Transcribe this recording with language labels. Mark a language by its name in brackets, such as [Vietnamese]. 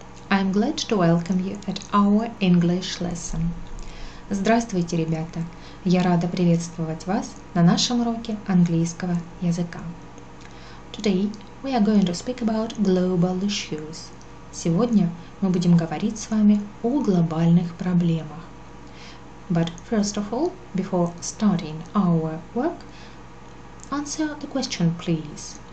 [English] I'm glad to welcome you at our English lesson. [Russian] Здравствуйте, ребята. Я рада приветствовать вас на нашем уроке английского языка. [English] Today we are going to speak about global issues. [Russian] Сегодня мы будем говорить с вами о глобальных проблемах. [English] But first of all, before starting our work, answer the question, please.